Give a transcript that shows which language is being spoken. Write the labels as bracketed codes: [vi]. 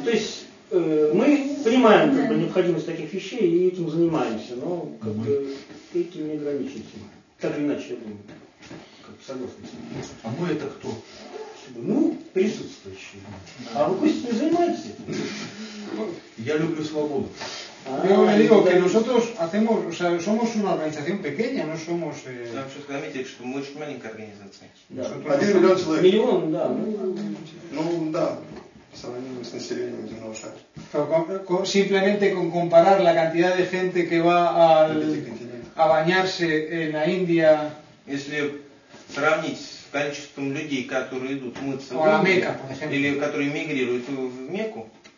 [ru] То есть мы понимаем как бы, необходимость таких вещей и этим занимаемся, но как бы этим не ограничимся. Так или иначе, я думаю, как бы согласен. А мы это кто? Ну, присутствующие. А вы пусть не занимаетесь этим. Я люблю свободу. [es] Yo le digo que nosotros hacemos, o sea, somos una organización pequeña, no somos... [ru] Заметили, что мы очень маленькая организация. Один миллион человек. Миллион, да. Ну, да. В сравнении с населением земного шара. [es] Simplemente con comparar la cantidad de gente que va a bañarse en la India... [ru] Если сравнить с количеством людей, которые идут мыться в Мекку, или которые мигрируют в Мекку,